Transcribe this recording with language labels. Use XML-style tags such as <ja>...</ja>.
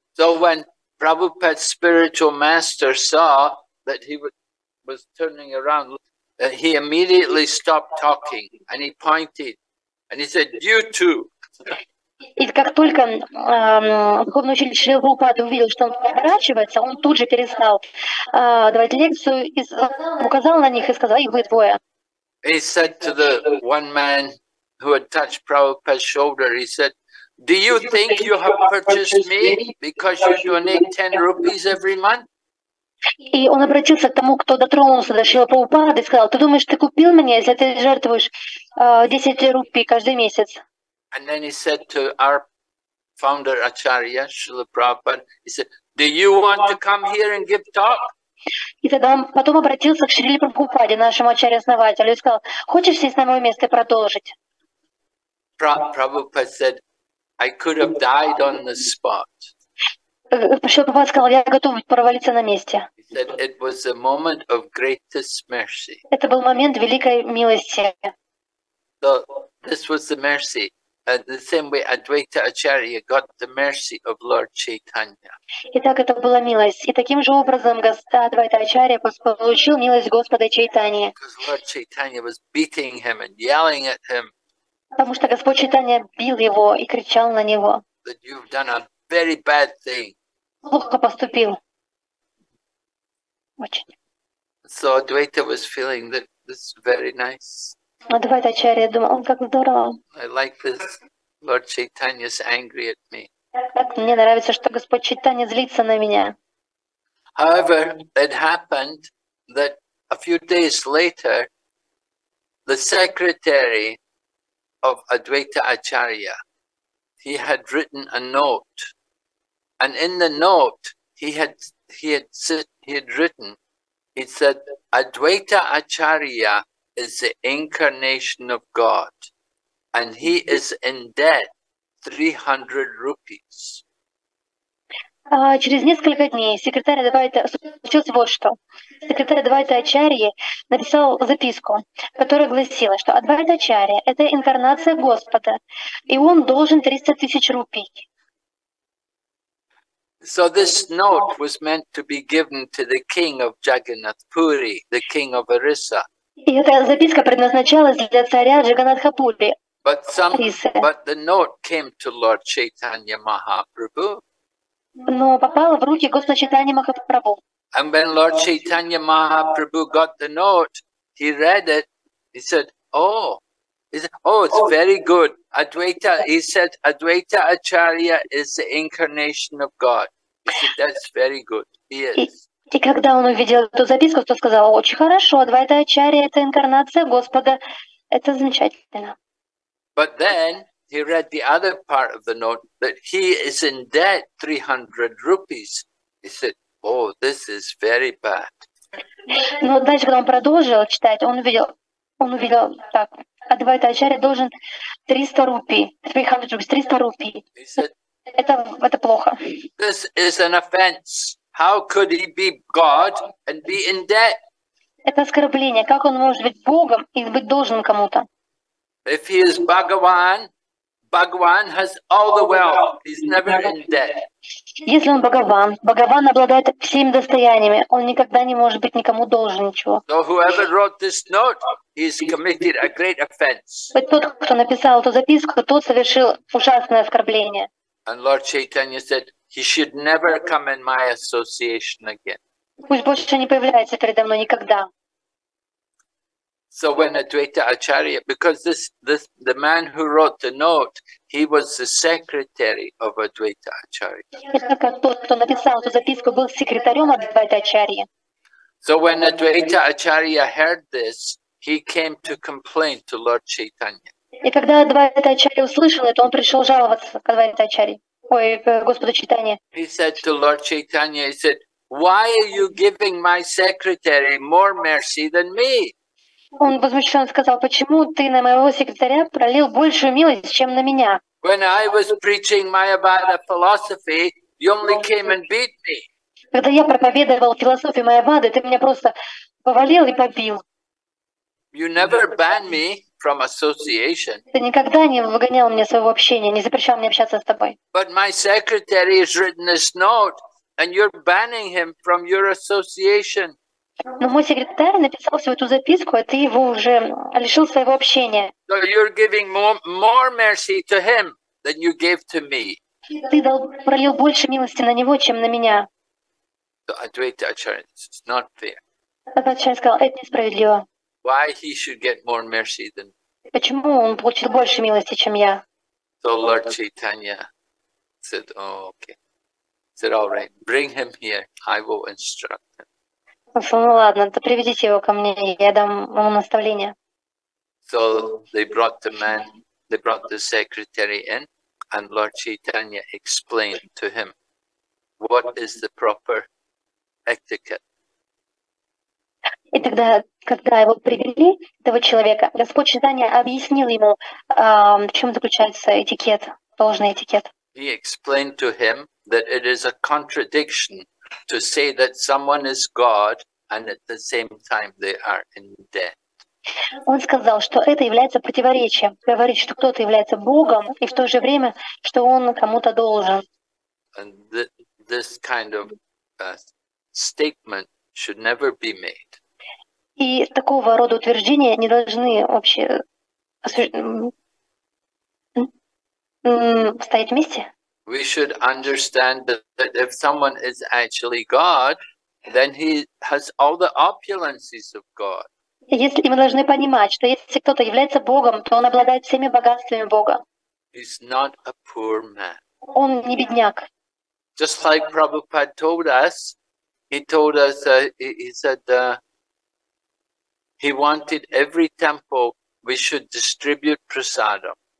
<en>So when Prabhupada's spiritual master saw that he was turning around, he immediately stopped talking, and he pointed, and he said, "You too."</en> <ru>И как только духовный учитель Шрила Прабхупада увидел, что он поворачивается, он тут же перестал давать лекцию, и указал на них и сказал: "И вы двое."</ru> <en>He said to the one man who had touched Prabhupada's shoulder, he said, "Do you think you have purchased me because you donate 10 rupees every month?"</en> <ru>И он обратился к тому, кто дотронулся до Шрилы Прабхупады, и сказал: «Ты думаешь, ты купил меня, если ты жертвуешь 10 рупий каждый месяц?»</ru> <en>And then he said to our founder Acharya, Srila Prabhupada, he said, "Do you want to come here and give talk?"</en> <ru>И тогда он потом обратился к Шриле Прабхупаде, нашему ачарья-основателю, и сказал: «Хочешь сесть на мое место и продолжить?»</ru> <en>Prabhupada said, "I could have died on the spot."</en> <ru>Шрила Прабхупада сказал: «Я готов провалиться на месте».</ru> <en>He said, "It was a moment of greatest mercy."</en> <ru>Это был момент великой милости.</ru> <en>So this was the mercy. The same way Advaita Acharya got the mercy of Lord Chaitanya.</en> <ru>Итак, это была милость. И таким же образом Господь Адвайта Ачарья получил милость Господа Чайтаньи.</ru> <en>Because Lord Chaitanya was beating him and yelling at him.</en> <ru>Потому что Господь Чайтанья бил его и кричал на него.</ru> <en>That you've done a very bad thing.</en> <ru>Плохо поступил. Очень.</ru> <en>So Advaita was feeling that this is very nice.</en> <ru>Адвайта Ачарья думал: он как здорово.</ru> <en>I like this. Lord Chaitanya's angry at me.</en> <ru>Мне нравится, что Господь Чайтанья злится на меня.</ru> <en>However, it happened that a few days later, the secretary of Advaita Acharya, he had written a note, and in the note he had written, he said, "Advaita Acharya is the incarnation of God, and he is in debt 300 rupees."</en> <ru>Через несколько дней секретарь Адвайта случилось вот что. Секретарь Адвайта Ачарьи написал записку, которая гласила, что Адвайта Ачарья — это инкарнация Господа, и он должен 300 тысяч рупий.</ru> <en>So this note was meant to be given to the king of Jagannath Puri, the king of Orissa.</en> <ru>И эта записка предназначалась для царя Джаганатхапури.</ru> <en>But the note came to Lord Chaitanya Mahaprabhu.</en> <ru>Но попала в руки Господа Чайтаньи Махапрабху.</ru> <en>And when Lord Chaitanya Mahaprabhu got the note, he read it. He said, "Oh, it's very good." Advaita, he said, "Advaita Acharya is the incarnation of God." He said, "That's very good. He is."</en> <ru>И когда он увидел эту записку, то сказал: «Очень хорошо, Адвайта Ачарья — это инкарнация Господа, это замечательно».</ru> <en>But then he read the other part of the note, that he is in debt 300 rupees. He said, "Oh, this is very bad."</en> <ru>Но дальше, когда он продолжил читать, он увидел, так, Адвайта Ачарья должен 300 рупий, 300 рупий, 300 рупий. Это плохо.</ru> <en>This is an offense. How could he be God and be in debt?</en> <ru>Это оскорбление. Как он может быть Богом и быть должен кому-то?</ru> <en>If he is Bhagavan, Bhagavan has all the wealth. He's never in debt.</en> <ru>Если он Бхагаван, Бхагаван обладает всеми достояниями. Он никогда не может быть никому должен ничего.</ru> <en>So whoever wrote this note, he's committed a great offense.</en> <ru>Тот, кто написал эту записку, тот совершил ужасное оскорбление.</ru> <en>And Lord Chaitanya said, "He should never come in my association again."</en> <ru>Пусть больше не появляется передо мной никогда.</ru> <en>So when Advaita Acharya, because this the man who wrote the note, he was the secretary of Advaita Acharya.</en> <ru>Итак, тот, кто написал эту записку, был секретарем Адвайта Ачарьи.</ru> <en>So when Advaita Acharya heard this, he came to complain to Lord Chaitanya.</en> <ru>И когда Адвайта Ачарья услышал это, он пришел жаловаться к Адвайта Ачарье.</ru> <en>He said to Lord Chaitanya, he said, "Why are you giving my secretary more mercy than me?"</en> <ru>Он возмущённо сказал: "Почему ты на моего секретаря пролил большую милость, чем на меня?"</ru> <en>When I was preaching Mayavada philosophy, you only came and beat me.</en> <ru>Когда я проповедовал философию Майявады, ты меня просто повалил и побил.</ru> <en>You never banned me from association.</en> <ru>Ты никогда не выгонял меня из своего общения, не запрещал мне общаться с тобой.</ru> <en>But my secretary has written this note, and you're banning him from your association.</en> <ru>Но мой секретарь написал всю эту записку, а ты его уже лишил своего общения.</ru> <en>So you're giving more mercy to him than you gave to me.</en> <ru>Ты пролил больше милости на него, чем на меня.</ru> <en>So Advaita Acharya, it's not fair.</en> <ru>Advaita сказал: это несправедливо.</ru> <en>Why he should get more mercy than?</en> <ru>Почему он получил больше милости, чем я?</ru> <en>So Lord Chaitanya said, "Oh, okay." said, all right, bring him here, I will instruct him.</en> <ru>Ну ладно, то приведите его ко мне, я дам ему наставление.</ru> <en>So they brought the man, they brought the secretary in, and Lord Chaitanya explained to him what is the proper etiquette.</en> <ru>И тогда, когда его привели, этого человека, Господь Читания объяснил ему, в чем заключается этикет, должный этикет.</ru> <en>He explained to him that it is a contradiction to say that someone is God and at the same time they are in debt.</en> <ru>Он сказал, что это является противоречием, говорить, что кто-то является Богом и в то же время, что он кому-то должен.</ru> <en>And this kind of statement should never be made.</en> <ru>И такого рода утверждения не должны вообще стоять вместе.</ru> <en>We should understand that if someone is actually God, then he has all the opulences of God.</en> <ru>Если мы должны понимать, что если кто-то является Богом, то он обладает всеми богатствами Бога.</ru> <en>He's not a poor man.</en> <ru>Он не бедняк.</ru> <en>Just like Prabhupada told us, he told us, he said, he wanted every temple we should distribute prasadam.</en>